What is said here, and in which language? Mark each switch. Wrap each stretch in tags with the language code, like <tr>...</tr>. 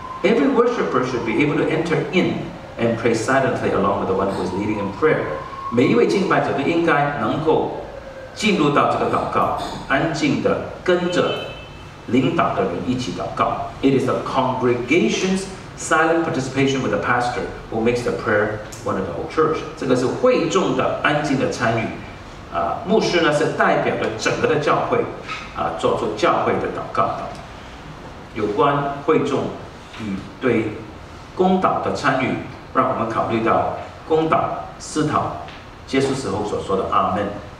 <en>Every worshipper should be able to enter in and pray silently along with the one who is leading in prayer.</en> <zh>每一位敬拜者都应该能够进入到这个祷告，安静地跟着领导的人一起祷告。</zh> <en>It is the congregation's silent participation with the pastor who makes the prayer one of the whole church.</en> <zh>这个是会众的安静的参与。牧师呢是代表着整个的教会，做出教会的祷告的。有关会众与对公祷的参与，让我们考虑到公祷思讨结束时候所说的阿门。</zh>